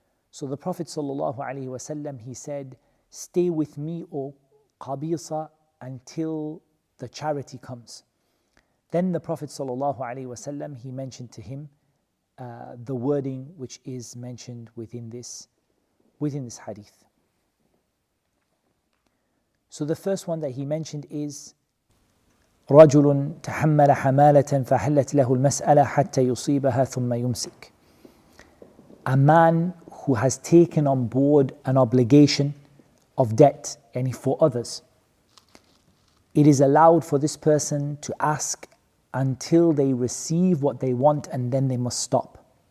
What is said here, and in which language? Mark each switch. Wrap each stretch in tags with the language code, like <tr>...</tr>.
<en>So the Prophet sallallahu alaihi wasallam, he said, stay with me, O Qabisa, until the charity comes. Then the Prophet sallallahu alaihi wasallam, he mentioned to him the wording which is mentioned within this hadith. So the first one that he mentioned is</en> <ar>رجل تحمل حمالة فحلت له المسألة حتى يصيبها ثم يمسك.</ar> <en>A man who has taken on board an obligation of debt, any for others, it is allowed for this person to ask until they receive what they want, and then they must stop.</en>